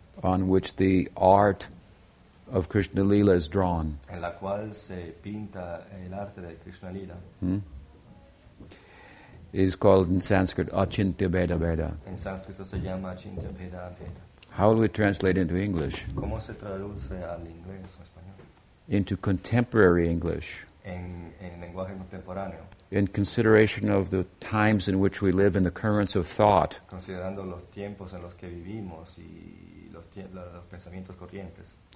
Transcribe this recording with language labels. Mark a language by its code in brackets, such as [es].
[en] On which the art of Krishna Lila is drawn. [es] En la cual se pinta el arte de Krishna Lila. [en] Is called in Sanskrit Achintya Bheda Bheda. [es] En sánscrito se llama Achintya Bheda Bheda. [en] How will we translate into English? [es] ¿Cómo se traduce al inglés o español? [en] Into contemporary English. [es] En lenguaje contemporáneo. [en] In consideration of the times in which we live and the currents of thought. [es] Considerando los tiempos en los que vivimos y los pensamientos corrientes.